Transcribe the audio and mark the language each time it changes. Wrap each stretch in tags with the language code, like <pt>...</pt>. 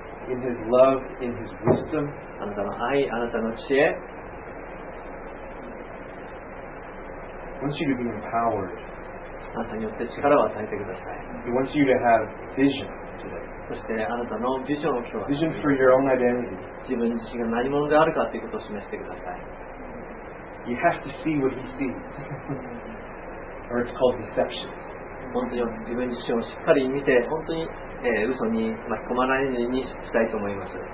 <en>in his love, in his wisdom,</en> <ja>あなたの愛、あなたの知恵、</ja> <en>wants you to be empowered.</en> <ja>あなたによって力を与えてください。</ja> <en>he wants you to have vision.</en> <ja>そしてあなたのビジョンを今日は</ja> <en>vision for your own identity.</en> <ja>自分自身が何者であるかということを示してください。</ja> <en>You have to see what he sees, or it's called deception.</en> <ja>本当に自分自身をしっかり見て、本当に、嘘に巻き込まないようにしたいと思います。</ja>